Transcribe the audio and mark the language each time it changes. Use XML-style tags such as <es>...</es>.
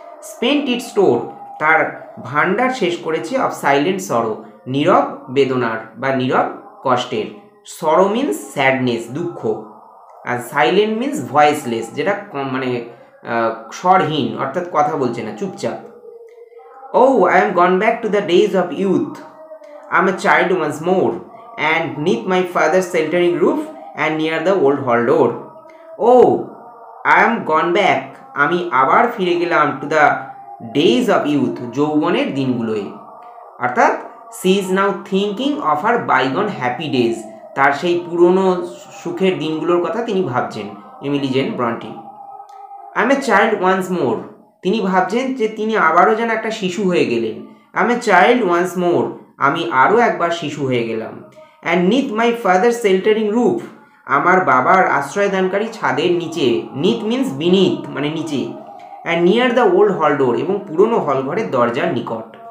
<en>spent its store,</en> <bn>তার ভাণ্ডার শেষ করেছে</bn> <en>of silent sorrow,</en> <bn>নীরব বেদনার বা নীরব কষ্টের। সরো মিন্স স্যাডনেস, দুঃখ, আর সাইলেন্ট মিন্স ভয়েসলেস, যেটা মানে স্বরহীন, অর্থাৎ কথা বলছে না, চুপচাপ।</bn> <en>Oh, I am gone back to the days of youth, I am a child once more, and beneath my father's sheltering roof and near the old hall door. Oh, I am gone back.</en> <bn>আমি আবার ফিরে গেলাম</bn> <en>to the days of youth,</en> <bn>যৌবনের দিনগুলোয়।</bn> <en>অর্থাৎ she is now thinking of her bygone happy days.</en> <bn>তার সেই পুরনো সুখের দিনগুলোর কথা তিনি ভাবছেন।</bn> <en>Emily Jane Bronte. I am a child once more.</en> <bn>তিনি ভাবছেন যে তিনি আবারও যেন একটা শিশু হয়ে গেলেন। আমি</bn> <en>child once more,</en> <bn>আমি আরও একবার শিশু হয়ে গেলাম।</bn> <en>and neath my father sheltering roof,</en> <bn>আমার বাবার আশ্রয়দানকারী ছাদের নিচে, নিথ মিন্স বিনিথ মানে নিচে,</bn> <en>and near the old hall door,</en> <bn>এবং পুরনো হলঘরের দরজার নিকট।</bn>